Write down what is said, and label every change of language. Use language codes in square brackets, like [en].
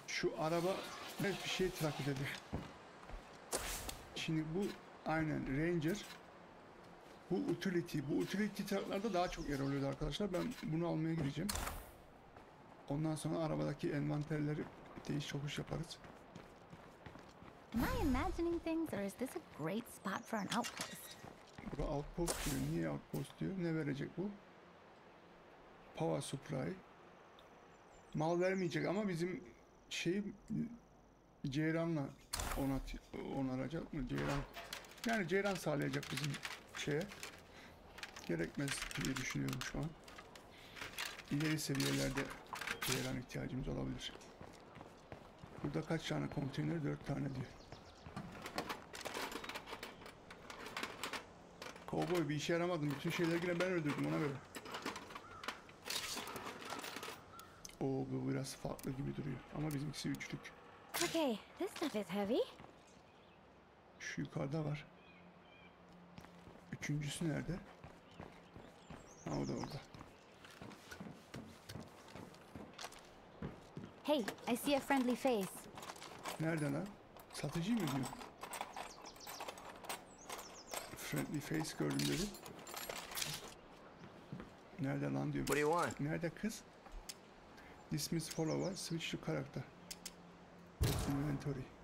[tr] Şu araba hep bir şey trak dedi. Şimdi bu aynen Ranger. Bu utility. Bu utility traklarda daha çok yer alıyordu arkadaşlar. Ben bunu almaya gideceğim. Ondan sonra arabadaki envanterleri değiş çokuş yaparız. [en] Am I imagining things or is this a great spot for an outpost? [tr] Bu outpost diyor. Niye outpost diyor? Ne verecek bu? Power supply. Mal vermeyecek ama bizim şeyi ceyranla onaracak mı? Ceyran. Yani ceyran sağlayacak bizim şeye. Gerekmez diye düşünüyorum şu an. İleri seviyelerde ceyran ihtiyacımız olabilir. Burada kaç tane konteyner? 4 tane diyor. Cowboy bir işe yaramadım. Bütün şeyleri yine ben öldürdüm, ona göre. O bu biraz farklı gibi duruyor ama bizimkisi üçlük. [en] Okay, this stuff is heavy. [tr] Şu yukarıda var. Üçüncüsü nerede? Ha, o da orada. [en] Hey, I see a friendly face. [tr] Nerede lan? Satıcı mı diyor? Friendly face gördüm dedi. Nerede lan diyor. [en] What do you want? Nerede kız? Dismiss follower, switch to character. olsun inventory.